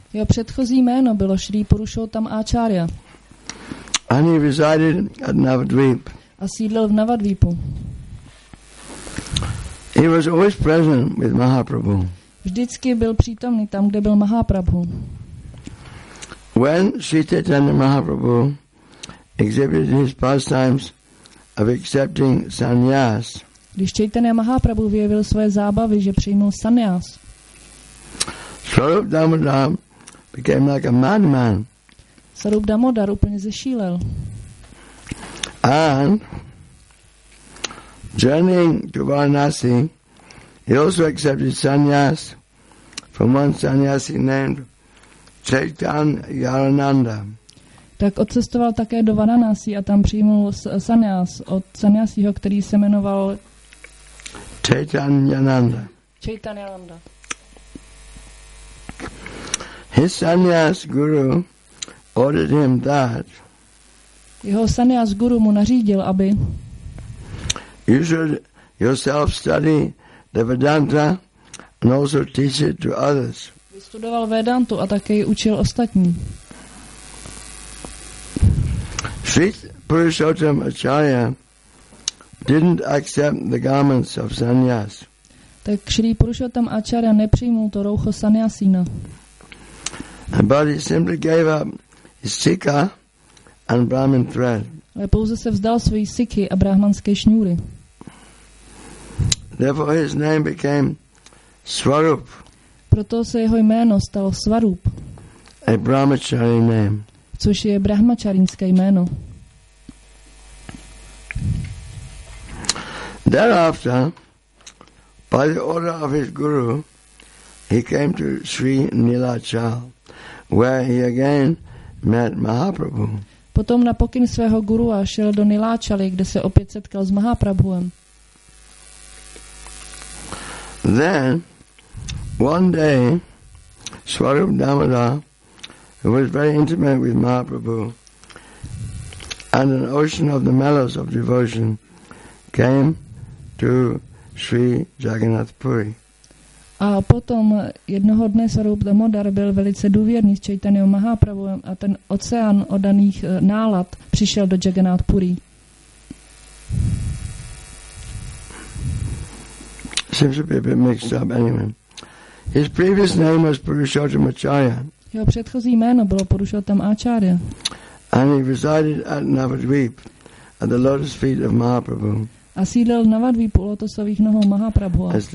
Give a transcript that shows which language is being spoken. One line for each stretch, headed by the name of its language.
Czech: Jeho předchozí jméno bylo Sri Purushottam Acharya.
English: And he resided at Navadvip.
Czech: A sídlil v Navadvipu.
English: He was always present with Mahaprabhu.
Czech: Vždycky byl přítomný tam, kde byl Mahaprabhu.
English: When Sri Chaitanya Mahaprabhu exhibited his pastimes of accepting sannyas,
Czech: když Chaitanya Mahaprabhu vyjevil svoje zábavy, že přijmul sannyas,
English: Swarup Damodar became like a madman.
Czech: Swarup Damodar úplně zešílel.
English: And journeying to Varanasi, he also accepted sannyas from one sannyasi named Chaitanya Yarananda.
Czech: Tak odcestoval také do Varanasi a tam přijmul sannyas od sannyasiho, který se jmenoval Chaitanyananda. Chaitanyananda.
English: His sannyas guru ordered him that
Czech: jeho sannyas guru mu nařídil, aby
English: you should yourself study the Vedanta and also teach it to others.
Czech: Vystudoval Vedantu a také ji učil ostatní.
English: Sri Purushottam Acharya didn't accept the garments of sannyas.
Czech: Tak Sri Purushottam Acharya nepřijmul to roucho sannyasína.
English: But he simply gave up his sikha and Brahmin thread.
Czech: Ale pouze se vzdal své sikhy a brahmanské šňůry.
English: Therefore his name became Swarup.
Czech: Proto se jeho jméno stalo Swarup.
English: A brahmachari name.
Czech: Což je brahmacharinské jméno.
English: Thereafter, by the order of his guru, he came to Sri Nilachal, where he again met Mahaprabhu.
Czech: Potom na pokyn svého gurua šel do Nilachali, kde se opět setkal s Mahaprabhuem.
English: Then one day Swarup Damodar, who was very intimate with Mahaprabhu and an ocean of the mellows of devotion, came to Sri Jagannath Puri.
Czech: A potom jednoho dne Swarup Damodar byl velice důvěrný s Chaitanyou Mahaprabhuem a ten oceán odaných nálad přišel do Jagannath Puri.
English: Seems to be a bit mixed up anyway. His previous name was Purushottam Acharya.
Czech: Jeho předchozí jméno bylo Purushottam Acharya.
English: And he resided at Navadvip, at the lotus feet of Mahaprabhu.
Czech: A sídlil na Navadvipu u lotosových nohou Mahaprabhu.